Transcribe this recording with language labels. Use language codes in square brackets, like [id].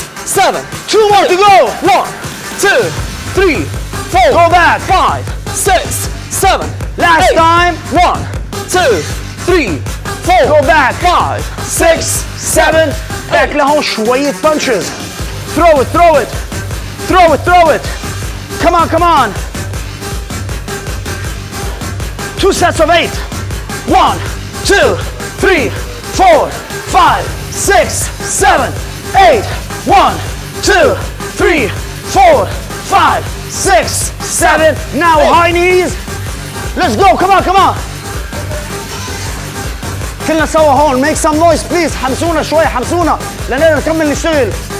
[en] 7. 2 more to go. 1 2 3 4. Go back. 5 6 7. Last 8. Time. 1 2 3 4. Go back. 5 6 7. Back [ar] لهون شوية [en] punches. Throw it, throw it, throw it, throw it. Come on, come on. 2 sets of 8. 1 2 3 4 5 6 7 8. 1 2 3 4 5 6 7. Now 8. High knees. Let's go. Come on, come on. [ar] خلنا سوا هون [en] make some noise please, [ar] حمسونا شوي حمسونا لنقدر نكمل نشتغل.